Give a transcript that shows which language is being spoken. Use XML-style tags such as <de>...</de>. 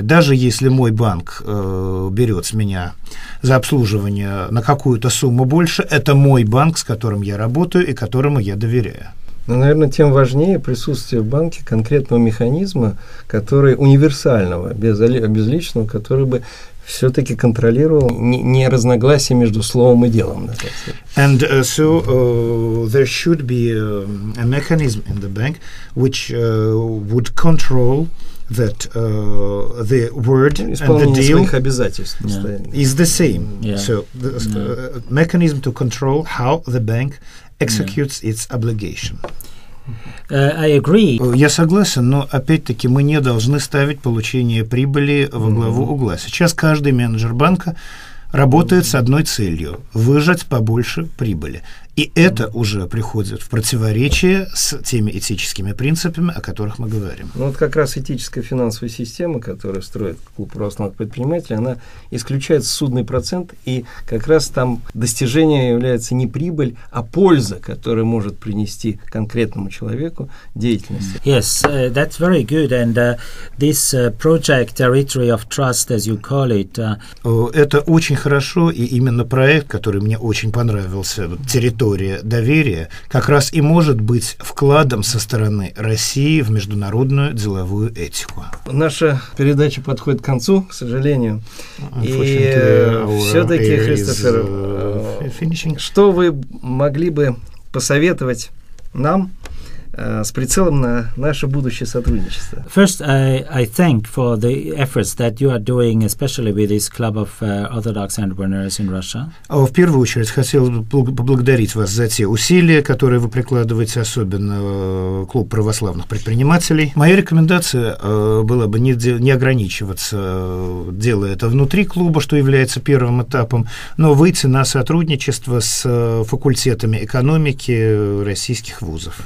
<ru>Даже если мой банк берет с меня за обслуживание на какую-то сумму больше, это мой банк, с которым я работаю и которому я доверяю. Но, наверное, тем важнее присутствие в банке конкретного механизма, который универсального, без личного, который бы все-таки контролировал не разногласия между словом и делом.</ru> <en>And so there should be a mechanism in the bank which would control that the word and the deal</en> <ru>своих обязательств</ru> <en>is the same. Yeah. So the mechanism to control how the bank executes its obligation. I agree.</en> <ru>Я согласен, но опять-таки мы не должны ставить получение прибыли во главу угла. Сейчас каждый менеджер банка работает с одной целью – выжать побольше прибыли. И это уже приходит в противоречие с теми этическими принципами, о которых мы говорим. Ну вот как раз этическая финансовая система, которая строит клуб православных предпринимателей, она исключает судный процент, и как раз там достижение является не прибыль, а польза, которая может принести конкретному человеку деятельности.</ru> <en>Yes, that's very good, and this project Territory of Trust, as you call it.</en> <ru>Это очень хорошо, и именно проект, который мне очень понравился, территория доверия, как раз и может быть вкладом со стороны России в международную деловую этику. Наша передача подходит к концу, к сожалению. И все-таки, Христофер, что вы могли бы посоветовать нам с прицелом на наше будущее сотрудничество?</ru> <en>First, I thank for the efforts that you are doing, especially with this club of Orthodox entrepreneurs in Russia.</en> <ru>В первую очередь хотел бы поблагодарить вас за те усилия, которые вы прикладываете, особенно клуб православных предпринимателей. Моя рекомендация была бы не ограничиваться, делая это внутри клуба, что является первым этапом, но выйти на сотрудничество с факультетами экономики российских вузов.</ru>